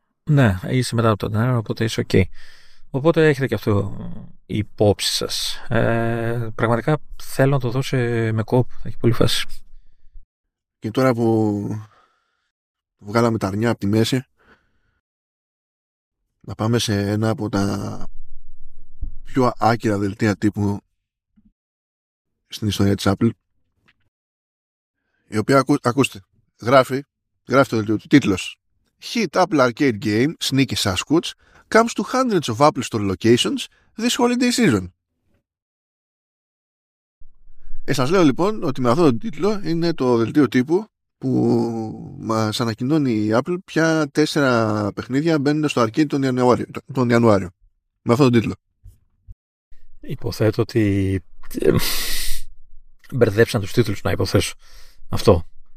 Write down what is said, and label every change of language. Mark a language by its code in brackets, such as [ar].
[el] Ναι, είσαι μετά το 10R, οπότε είσαι ok. Οπότε έχετε και αυτό υπόψη σας. Πραγματικά θέλω να το δώσω με κόπ. Θα έχει πολύ φάση. Και τώρα που βγάλαμε τα αρνιά από τη μέση, να πάμε σε ένα από τα πιο άκυρα δελτία τύπου στην ιστορία της Apple, η οποία ακούστε, γράφει το δελτίο του, τίτλος: [en] Hit Apple Arcade Game, Sneaky Sasquatch, comes to hundreds of Apple Store locations this holiday season. [el] Σας λέω λοιπόν ότι με αυτόν τον τίτλο είναι το δελτίο τύπου που μας ανακοινώνει η Apple ποια τέσσερα παιχνίδια μπαίνουν στο arcade τον Ιανουάριο. Με αυτόν τον τίτλο. Υποθέτω ότι μπερδέψαν τους τίτλους, να υποθέσω αυτό.